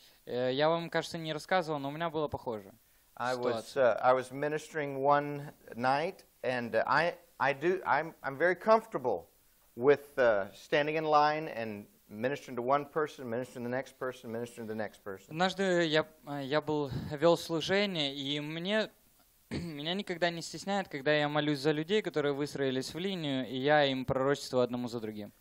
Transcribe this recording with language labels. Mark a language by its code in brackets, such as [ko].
[ru] Я вам, кажется, не рассказывал, но у меня было похоже. [en] I was ministering one night, and I'm very comfortable with standing in line and ministering to one person, ministering to the next person, ministering to the next person. [ru] Однажды я был вел служение, и мне меня никогда не стесняет, когда я молюсь за людей, которые выстроились в линию, и я им пророчество одному за другим.